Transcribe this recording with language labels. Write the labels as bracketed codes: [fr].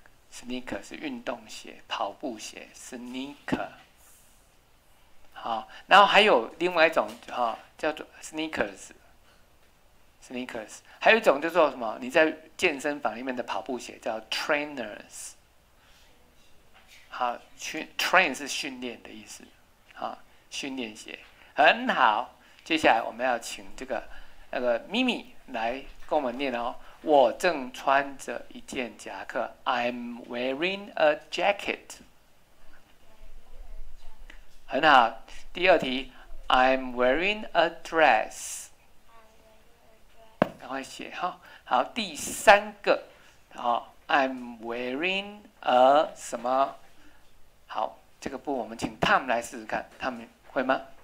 [zh] Sneaker 是运动鞋，跑步鞋。Sneaker， 好，然后还有另外一种哈、哦，叫做 sneakers， 还有一种叫做什么？你在健身房里面的跑步鞋叫 trainers， 好，train 是训练的意思，好，训练鞋，很好。接下来我们要请这个咪咪来跟我们念哦。我正穿着一件夹克 ， [en] I'm wearing a jacket。 [zh] 很好，第二题 [en] ，I'm wearing a dress。 [zh] 赶快写哈、哦。好，第三个，好、哦、， [en] I'm wearing a [zh] 什么？好，这个部我们请 Tom 来试试看，他们会吗？